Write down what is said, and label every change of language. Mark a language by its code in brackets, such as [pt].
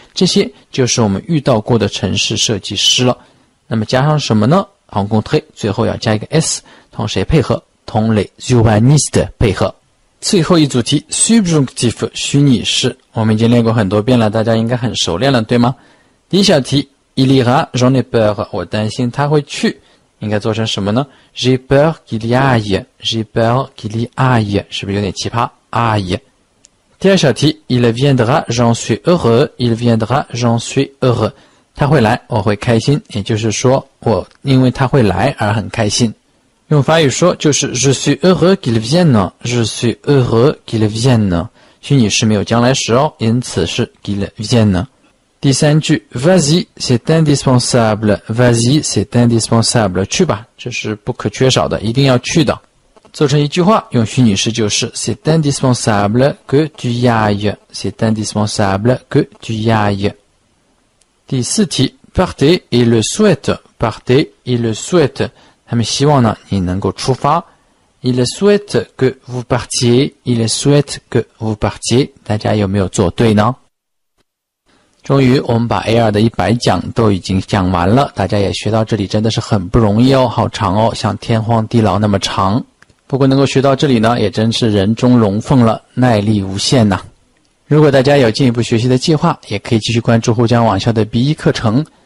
[zh] 这些就是我们遇到过的城市设计师了。那么加上什么呢？ Rencontrer 最后要加一个 s， 同谁配合？同 les urbanistes 配合。最后一组题， subjonctif 虚拟式，我们已经练过很多遍了，大家应该很熟练了，对吗？第一小题， [fr] Il ira, j'en ai peur， [zh] 我担心他会去，应该做成什么呢？ [fr] J'ai peur qu'il y aille， j'ai peur qu'il y aille， [zh] 是不是有点奇葩？ [fr] aille。 [zh] 第二小题， [fr] Il viendra, j'en suis heureux， il viendra, j'en suis heureux， [zh] 他会来，我会开心，也就是说我因为他会来而很开心。用法语说就是 [fr] Je suis heureux qu'il vienne， Je suis heureux qu'il vienne。 [zh] 虚拟式没有将来时哦，因此是 [fr] qu'il vienne。 [zh] 第三句， [fr] Vas-y, c'est indispensable， Vas-y, c'est indispensable， [zh] 去吧，这是不可缺少的，一定要去的。做成一句话用虚拟式就是 [fr] C'est indispensable que tu y ailles， C'est indispensable que tu y ailles。 [zh] 第四题， [fr] Partez, il le souhaite, Partez, il le souhaite, [zh] 他们希望呢你能够出发。 [fr] Il souhaite que vous partiez, il souhaite que vous partiez, [zh] 大家有没有做对呢？终于我们把 AR 的100讲都已经讲完了，大家也学到这里真的是很不容易哦，好长哦，像天荒地老那么长。不过能够学到这里呢，也真是人中龙凤了，耐力无限呐。如果大家有进一步学习的计划，也可以继续关注沪江网校的 B1 课程。